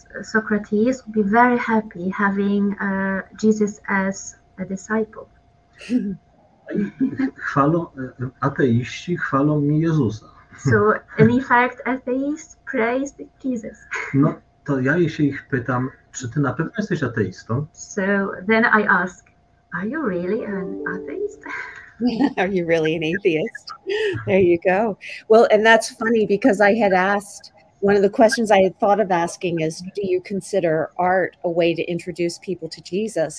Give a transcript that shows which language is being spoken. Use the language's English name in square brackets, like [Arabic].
[English] Socrates would be very happy having Jesus as a disciple. [Polish] Chwalą, ateiści chwalą mi Jezusa. [English] So, in effect, atheists praise Jesus. [Polish] No, to ja się ich pytam, czy ty na pewno jesteś ateistą? [English] So, then I ask, are you really an atheist? Are you really an atheist? There you go. Well, and that's funny because I had asked, one of the questions I had thought of asking is, do you consider art a way to introduce people to Jesus?